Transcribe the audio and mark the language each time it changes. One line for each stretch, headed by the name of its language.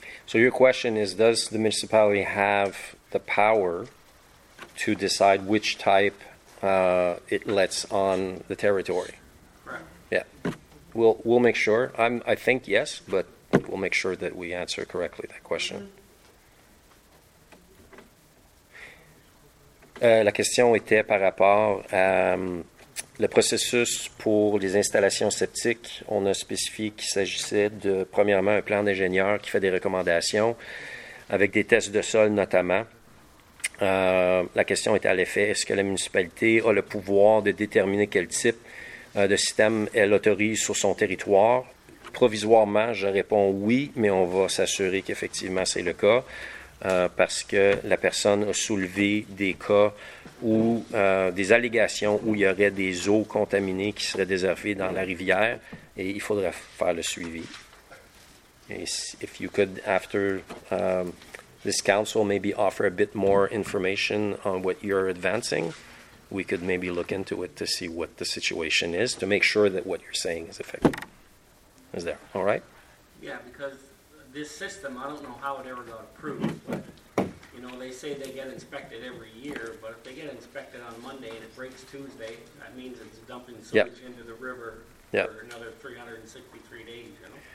English: So your question is, does the municipality have the power to decide which type it lets on the territory? Correct. Yeah. We'll make sure. I think yes, but we'll make sure that we answer correctly that question. Mm-hmm.
French: La question était par rapport à le processus pour les installations septiques. On a spécifié qu'il s'agissait de, premièrement, un plan d'ingénieur qui fait des recommandations avec des tests de sol notamment. La question était à l'effet, est-ce que la municipalité a le pouvoir de déterminer quel type de système elle autorise sur son territoire? Provisoirement, je réponds oui, mais on va s'assurer qu'effectivement c'est le cas. Parce que la personne a soulevé des cas où des allégations où il y aurait des eaux contaminées qui seraient déservées dans la rivière et il faudrait faire le suivi.
English: If you could, after this council, maybe offer a bit more information on what you're advancing, we could maybe look into it to see what the situation is, to make sure that what you're saying is effective. Is there? All right? Yeah, because this system, I don't know how it ever got approved, but, you know, they say they get inspected every year, but if they get inspected on Monday and it breaks Tuesday, that means it's dumping sewage into the river for another 363 days, you know?